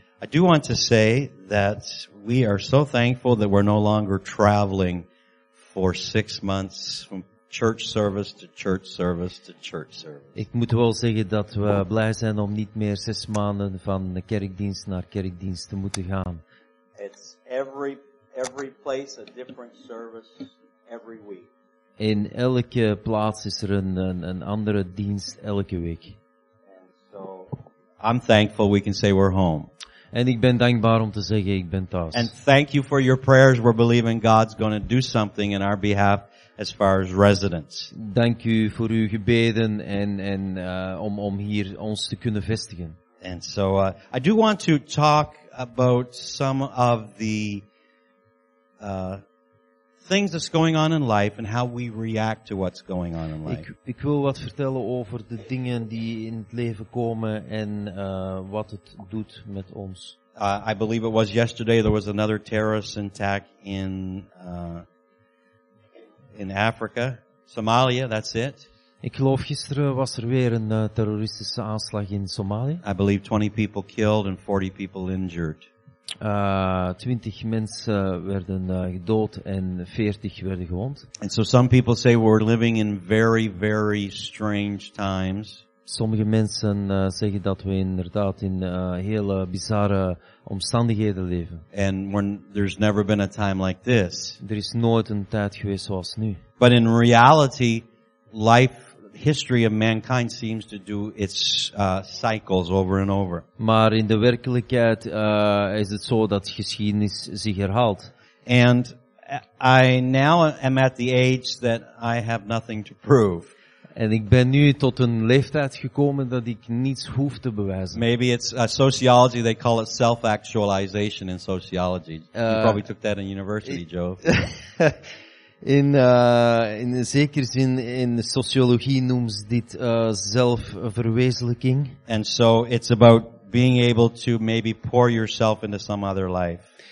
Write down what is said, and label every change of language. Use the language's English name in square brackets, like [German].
[English] I do want to say that we are so thankful that we're no longer traveling for 6 months from church service to church service to church service. [Dutch] Ik moet wel zeggen dat we blij zijn om niet meer 6 maanden van kerkdienst naar kerkdienst te moeten gaan. [English] It's every place a different service every week. [Dutch] In elke plaats is er een andere dienst elke week. [English] And so I'm thankful we can say we're home. [Dutch] En ik ben dankbaar om te zeggen ik ben thuis. [English] And thank you for your prayers. We're believing God's going to do something in our behalf as far as residence. [Dutch] Dank u voor uw gebeden om hier ons te kunnen vestigen. [English] And so I do want to talk about some of the things that's going on in life and how we react to what's going on in life. [Dutch] Ik wil wat vertellen over de dingen die in het leven komen en wat het doet met ons. [English] I believe it was yesterday there was another terrorist attack in Africa, Somalia, that's it. [Dutch] Ik geloof gisteren was er weer een terroristische aanslag in Somalië. [English] I believe 20 people killed and 40 people injured. [Dutch] 20 mensen werden gedood en 40 werden gewond. [English] And so some people say we're living in very, very strange times. [Dutch] Sommige mensen zeggen dat we inderdaad in hele bizarre omstandigheden leven. [English] And when there's never been a time like this. [Dutch] Er is nooit een tijd geweest zoals nu. [English] But in reality, life, history of mankind seems to do its cycles over and over. [Dutch] Maar in de werkelijkheid is het zo dat geschiedenis zich herhaalt. [English] And I now am at the age that I have nothing to prove. [Dutch] En ik ben nu tot een leeftijd gekomen dat ik niets hoef te bewijzen. [English] Maybe it's sociology, they call it self-actualization in sociology. You probably took that in university, Joe. [Dutch] In een zekere zin, in de sociologie noemt ze dit zelfverwezenlijking. [English] And so it's about being able to maybe pour yourself into some other life.